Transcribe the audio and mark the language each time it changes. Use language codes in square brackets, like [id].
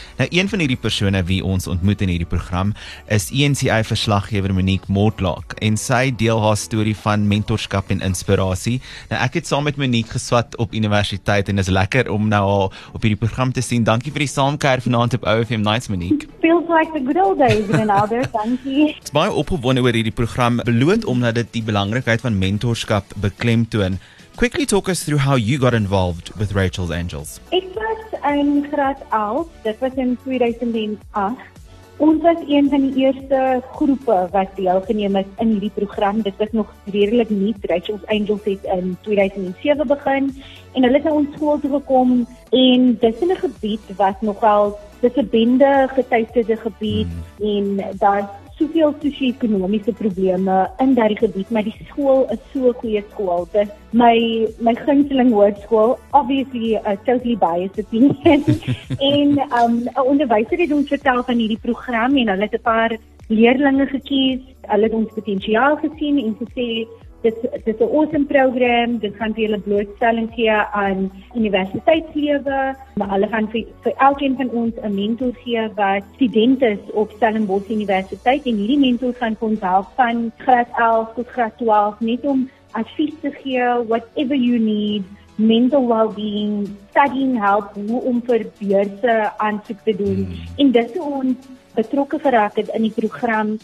[af] Nou, een van hierdie persone wie ons ontmoet in hierdie program is INCI-verslaggewer Monique Mortlock en sy deel haar story van mentorskap en inspirasie. Nou, ek het saam met Monique geswat op universiteit en is lekker om nou al op hierdie program te sien. Dankie vir die saamkuier vanavond op OFM Nights, Monique. [en] Feels like the good old days in another [af] country. Baie opgewonde oor hierdie program, beloond omdat dit die belangrikheid van mentorskap beklemtoon. [en] Quickly talk us through how you got involved with Rachel's Angels. [af] Ek was in graad 11, dit was in 2008. Ons was een van die eerste groepe wat deelgeneem het in hierdie program. Dit was nog redelik nuut. Rachel's Angels het in 2007 begin en hulle het na ons skool toe gekom en dis in 'n gebied wat nogal dis 'n bende geteisterde gebied en daar soveel sosio-ekonomiese probleme in daardie gebied, maar die skool is so 'n goeie skool. Dis my gunsteling hoërskool, obviously totally biased opinion. En 'n onderwyser het ons vertel van hierdie program en hulle het 'n paar leerlinge gekies. Hulle het ons potensiaal gesien en gesê dis 'n awesome program, dit gaan vir julle blootstelling gee aan universiteitslewe, maar hulle gaan vir elkeen van ons 'n mentor gee wat student is op Stellenbosch Universiteit en hierdie mentor gaan vir ons help van graad 11 tot graad 12 net om advies te gee, whatever you need, mental well-being, studying help, hoe om vir beurse aansoek te doen en dis hoe ons betrokke geraak het in die program.